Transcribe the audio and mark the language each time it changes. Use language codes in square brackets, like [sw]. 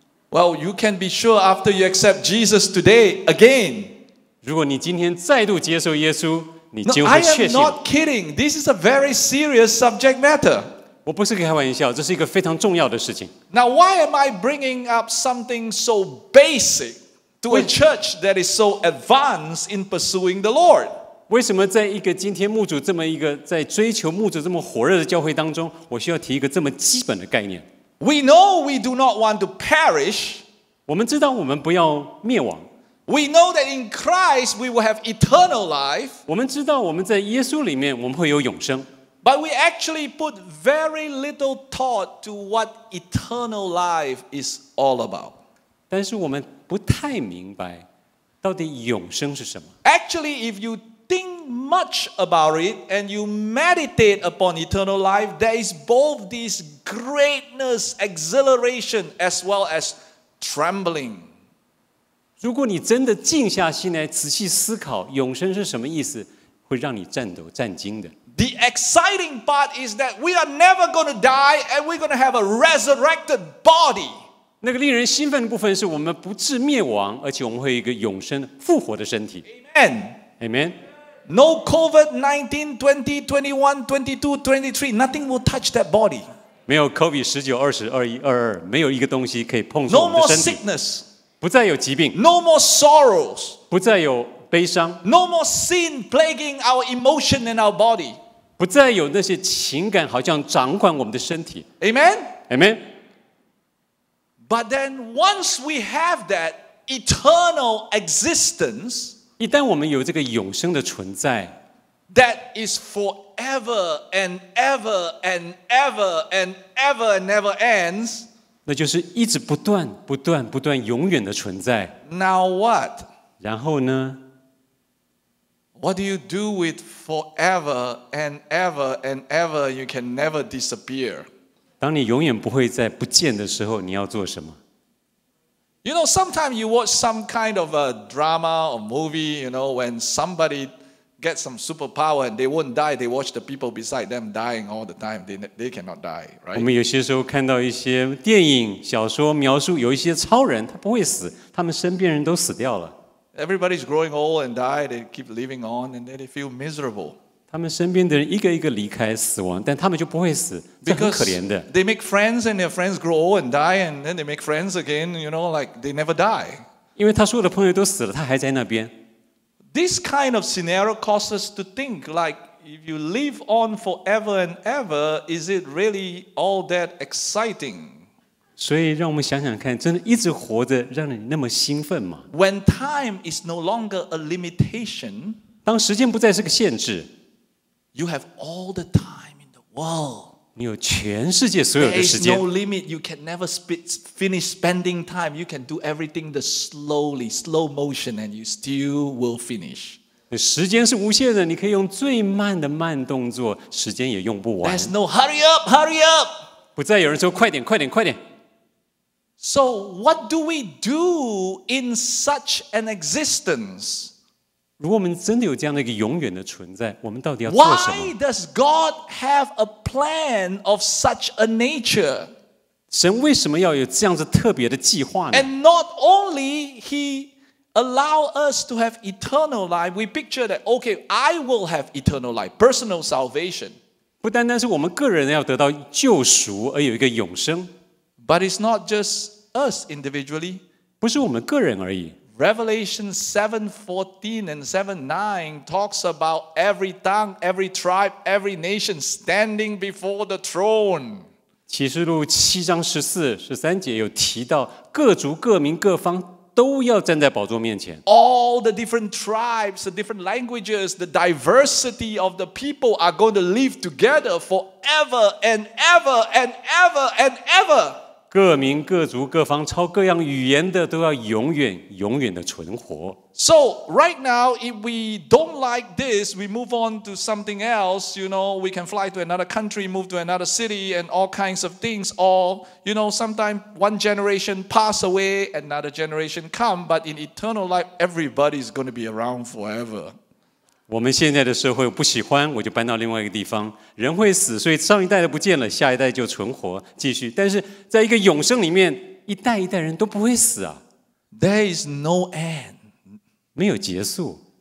[en] Well, you can be sure after you accept Jesus today again. [zh] 如果你今天再度接受耶稣， [en] No, I am not kidding. This is a very serious subject matter. [zh] 我不是开玩笑，这是一个非常重要的事情。 [en] Now, why am I bringing up something so basic to a church that is so advanced in pursuing the Lord? [zh] 为什么在一个今天牧主这么一个在追求牧主这么火热的教会当中，我需要提一个这么基本的概念？ [en] We know we do not want to perish. [zh] 我们知道我们不要灭亡。 [en] We know that in Christ we will have eternal life. [zh] 我们知道我们在耶稣里面我们会有永生。 [en] But we actually put very little thought to what eternal life is all about. [zh] 但是我们不太明白到底永生是什么。 [en] Actually, if you think much about it and you meditate upon eternal life, there is both this greatness, exhilaration, as well as trembling. [zh] 如果你真的静下心来仔细思考永生是什么意思，会让你颤抖战惊的。 [en] The exciting part is that we are never going to die and we're going to have a resurrected body. [zh] 那个令人兴奋的部分是我们不致灭亡，而且我们会有一个永生复活的身体。 [en] Amen. Amen. No COVID 19, 20, 21, 22, 23, nothing will touch that body. [zh] 没有 COVID 19, 20, 21, 22, 没有一个东西可以碰触我们的身体。 [en] No more sickness. [zh] 不再有疾病。 [en] No more sorrows. [zh] 不再有悲伤。 [en] No more sin plaguing our emotion and our body. [zh] 不再有那些情感好像掌管我们的身体。 [en] Amen. Amen. But then, once we have that eternal existence, [zh] 一旦我们有这个永生的存在 [en] that is forever and ever and ever and ever and never ends, [zh] 那就是一直不断、不断、不断、永远的存在 [en] Now what? [zh] 然后呢 [en] What do you do with forever and ever and ever? You can never disappear. [zh] 当你永远不会再不见的时候，你要做什么 [en] ？You know, sometimes you watch some kind of a drama or movie. You know, when somebody gets some superpower and they won't die, they watch the people beside them dying all the time. They cannot die, right? [zh] 我们有些时候看到一些电影、小说描述有一些超人，他不会死，他们身边人都死掉了。 [en] Everybody's growing old and die. They keep living on, and they feel miserable. [zh] 他们身边的人一个一个离开死亡，但他们就不会死，这很可怜的。 [en] Because they make friends and their friends grow old and die, and then they make friends again. You know, like they never die. [zh] 因为他所有的朋友都死了，他还在那边。 [en] This kind of scenario causes us to think, like if you live on forever and ever, is it really all that exciting? [zh] 所以让我们想想看，真的一直活着让你那么兴奋吗 [en] ？When time is no longer a limitation, [zh] 当时间不再是个限制。 [en] You have all the time in the world. [zh] 你有全世界所有的时间。 [en] There is no limit. You can never finish spending time. You can do everything the slowly, slow motion, and you still will finish. [zh] 时间是无限的，你可以用最慢的慢动作，时间也用不完。 [en] There's no hurry up, hurry up. [zh] 不再有人说快点，快点，快点。 [en] So what do we do in such an existence? [zh] 如果我们真的有这样的一个永远的存在，我们到底要做什么 [en] ？Why does God have a plan of such a nature？ [zh] 神为什么要有这样子特别的计划呢 [en] ？And not only He allow us to have eternal life, we picture that. Okay, I will have eternal life, personal salvation. [zh] 不单单是我们个人要得到救赎而有一个永生 [en] ，But it's not just us individually. [zh] 不是我们个人而已。 [en] Revelation 7:14 and 7:9 talks about every tongue, every tribe, every nation standing before the throne. [zh] 启示录七章十四、十三节有提到各族、各民、各方都要站在宝座面前。 [en] All the different tribes, the different languages, the diversity of the people are going to live together forever and ever and ever and ever. [zh] 各民各族各方超各样语言的都要永远永远的存活。 [en] So right now, if we don't like this, we move on to something else. You know, we can fly to another country, move to another city, and all kinds of things. Or you know, sometimes one generation pass away, another generation come. But in eternal life, everybody is going to be around forever. [zh] 我们现在的社会不喜欢，我就搬到另外一个地方。人会死，所以上一代的不见了，下一代就存活继续。但是在一个永生里面，一代一代人都不会死啊。 [en] There is no end， [zh] 没有结束。